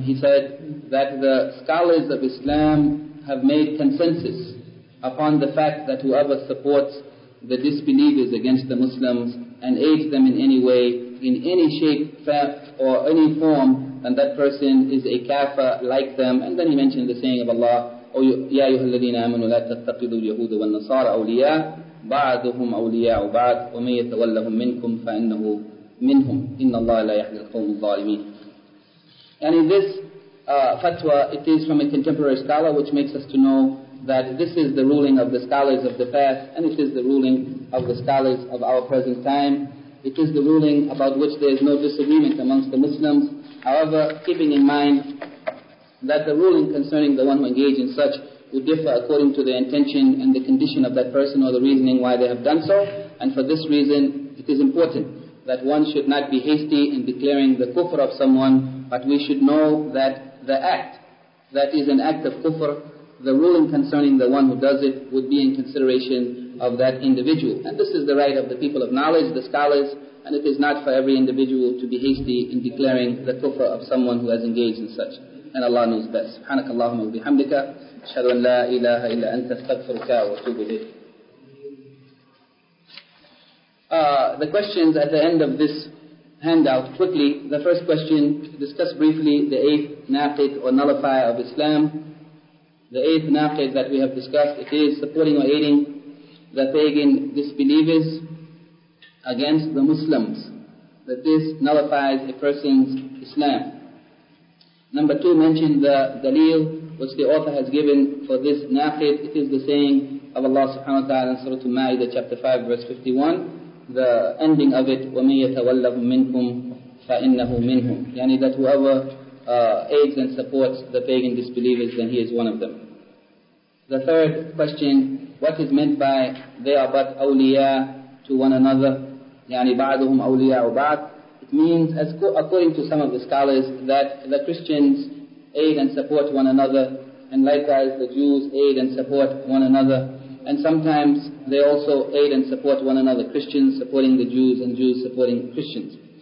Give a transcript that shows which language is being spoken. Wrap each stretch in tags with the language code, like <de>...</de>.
<en>He said that the scholars of Islam have made consensus upon the fact that whoever supports the disbelievers against the Muslims and aids them in any way, in any shape, or any form, then that person is a kafir like them. And then he mentioned the saying of Allah, O</en> <ar>يا أيها الذين آمنوا لا تتخذوا اليهود والنصارى أولياء بعضهم أولياء بعض ومن يتولهم منكم فإنه منهم إن الله لا يهدي القوم الظالمين.</ar> <en>And in this fatwa, it is from a contemporary scholar, which makes us to know that this is the ruling of the scholars of the past, and it is the ruling of the scholars of our present time. It is the ruling about which there is no disagreement amongst the Muslims. However, keeping in mind that the ruling concerning the one who engaged in such would differ according to the intention and the condition of that person or the reasoning why they have done so. And for this reason, it is important that one should not be hasty in declaring the kufr of someone, but we should know that the act that is an act of kufr, the ruling concerning the one who does it would be in consideration of that individual. And this is the right of the people of knowledge, the scholars, and it is not for every individual to be hasty in declaring the kufr of someone who has engaged in such. And Allah knows best.</en> <ar>سبحانك اللهم وبحمدك أشهد أن لا إله إلا أنت أستغفرك وأتوب إليك.</ar> <en>The questions at the end of this handout, quickly, the first question, discuss briefly the eighth naqid or nullifier of Islam. The eighth naqid that we have discussed, it is supporting or aiding the pagan disbelievers against the Muslims, that this nullifies a person's Islam. Number two, mentioned the dalil which the author has given for this naqid. It is the saying of Allah subhanahu wa ta'ala in Surah Al-Ma'idah, chapter 5, verse 51. The ending of it,</en> <ar>وَمَنْ يَتَوَلَّهُمْ مِنْكُمْ فَإِنَّهُ مِنْهُمْ.</ar> <en>Yani that whoever aids and supports the pagan disbelievers, then he is one of them. The third question, what is meant by they are but awliya to one another? Yani بَعْضُهُمْ awliya وَبَعْضُ. It means, as according to some of the scholars, that the Christians aid and support one another, and likewise the Jews aid and support one another, and sometimes they also aid and support one another, Christians supporting the Jews and Jews supporting Christians.</en>